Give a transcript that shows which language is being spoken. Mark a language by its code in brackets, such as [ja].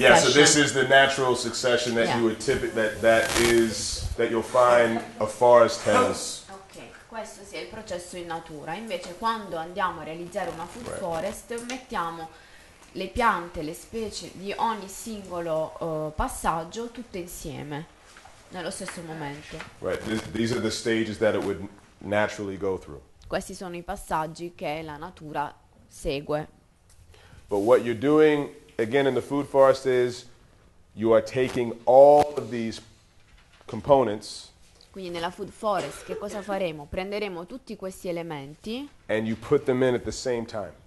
[en] Yeah, so this is the natural succession that you would that you'll find a forest has. [it] Questo sia il processo in natura. Invece quando andiamo a realizzare una food forest, mettiamo le piante, le specie di ogni singolo passaggio tutte insieme nello stesso momento. [en] Right. These are the stages that it would naturally go through. [it] Questi sono i passaggi che la natura segue. [en] But what you're doing again in the food forest is you are taking all of these components. [it] Quindi nella food forest che cosa faremo? Prenderemo tutti questi elementi [en] and you put them in at the same time.